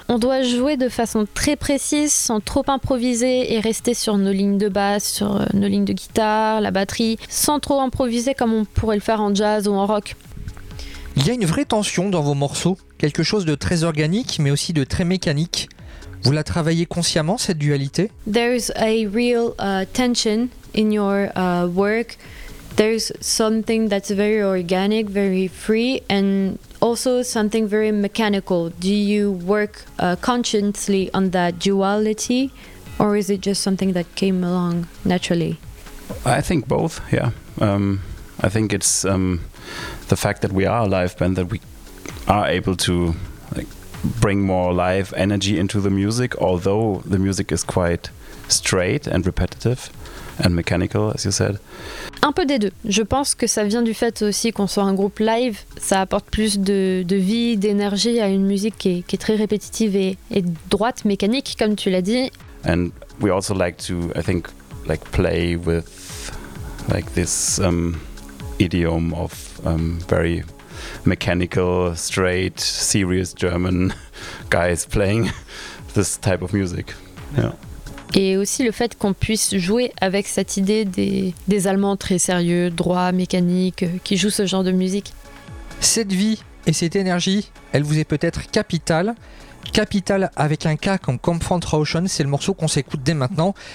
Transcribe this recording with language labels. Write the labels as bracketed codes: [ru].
[fr] On doit jouer de façon très précise, sans trop improviser et rester sur nos lignes de basse, sur nos lignes de guitare, la batterie, sans trop improviser comme on pourrait le faire en jazz ou en rock. Il y a une vraie tension dans vos morceaux, quelque chose de très organique mais aussi de très mécanique. Vous la travaillez consciemment, cette dualité ? [en] There is a real tension in your work. There's something that's very organic, very free, and also something very mechanical. Do you work consciously on that duality, or is it just something that came along naturally? I think both, yeah. I think it's the fact that we are a live band, that we are able to like, bring more live energy into the music, although the music is quite straight and repetitive. And mechanical, as you said. [fr] Un peu des deux. Je pense que ça vient du fait aussi qu'on soit un groupe live. Ça apporte plus de vie, d'énergie à une musique qui est très répétitive et droite, mécanique, comme tu l'as dit. [en] And we also like to, I think, like play with like this idiom of very mechanical, straight, serious German guys playing this type of music. Yeah. [fr] Et aussi le fait qu'on puisse jouer avec cette idée des Allemands très sérieux, droits, mécaniques, qui jouent ce genre de musique. Cette vie Et cette énergie, elle vous est peut-être capitale. Capitale avec un K comme Comfort Ocean, c'est le morceau qu'on s'écoute dès maintenant.